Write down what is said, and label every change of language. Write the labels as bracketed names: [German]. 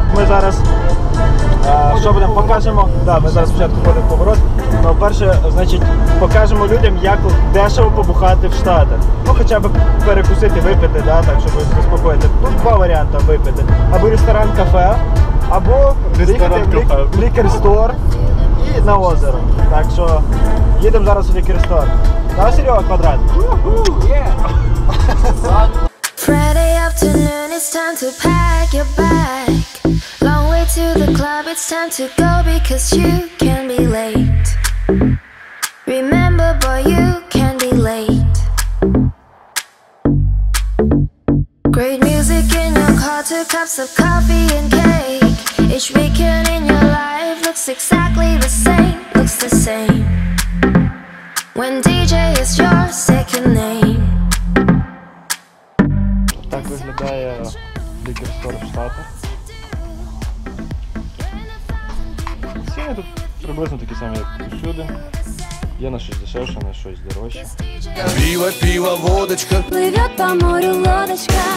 [Ukrainian] Ми зараз, що будемо, покажемо, да, ми зараз спочатку будемо поворот, але перше, значить, покажемо людям, як дешево побухати в Штатах. Ну, хоча б перекусити, випити, да, так, щоб заспокоїти. Тут два варіанти випити. Або ресторан-кафе, або лікер-стор і на озеро. Так що, їдемо зараз у лікер-стор. Да, Серега, квадрат? [English] Friday afternoon, it's time to pack your bag. Long way to the club, it's time to go, because you can be late. Remember, boy, you can be late. Great music in your car, two cups of coffee and cake. Each weekend in your life looks exactly the same, looks the same. When DJ is your second name. [Ukrainian] Так виглядає лікер-стор в Штатах. Ціни тут приблизно такі самі, як тут усюди. Є на щось дешевше, на щось дорожче. Піва, піва, водочка. Пливе по морю лодочка.